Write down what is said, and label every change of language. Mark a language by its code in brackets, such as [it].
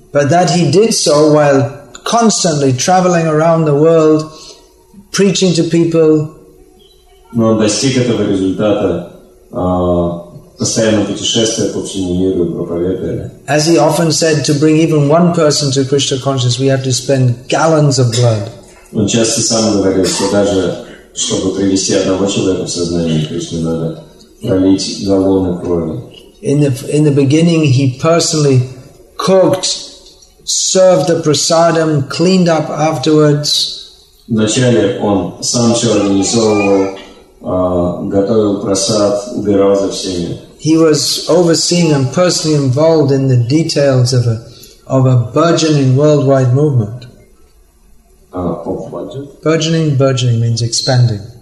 [en] But that he did so while constantly traveling around the world, preaching to people. [ru] Но он достиг этого результата, постоянно путешествуя по всему миру, проповедуя. [en] As he often said, to bring even one person to Krishna consciousness, we have to spend gallons of blood. [ru] Он часто сам говорил, что даже чтобы привести одного человека в сознание Кришны, надо пролить галлоны крови. [en] In the beginning, he personally cooked, served the prasadam, cleaned up afterwards. [ru] Вначале он сам все организовывал, готовил просад, убирал за всеми. [en] He was overseeing and personally involved in the details of a burgeoning worldwide movement. Burgeoning means expanding.